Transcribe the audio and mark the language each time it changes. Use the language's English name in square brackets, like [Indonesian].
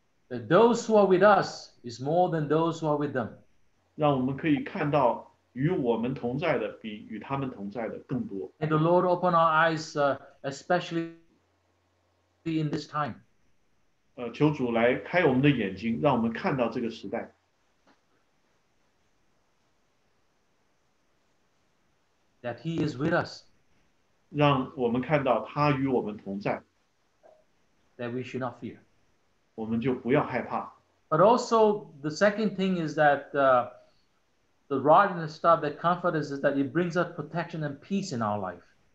[English] That those who are with us is more than those who are with them. [Chinese] 让我们可以看到与我们同在的比与他们同在的更多。 [English] And the Lord open our eyes, especially in this time. [Chinese] 求主来开我们的眼睛, 让我们看到这个时代。 [English] That he is with us. [Chinese] 让我们看到他与我们同在。 [English] That we should not fear. [Chinese] 我们就不要害怕。 [English] But also, the second thing is that the rod and the staff that comfort us is that it brings us protection and peace in our life.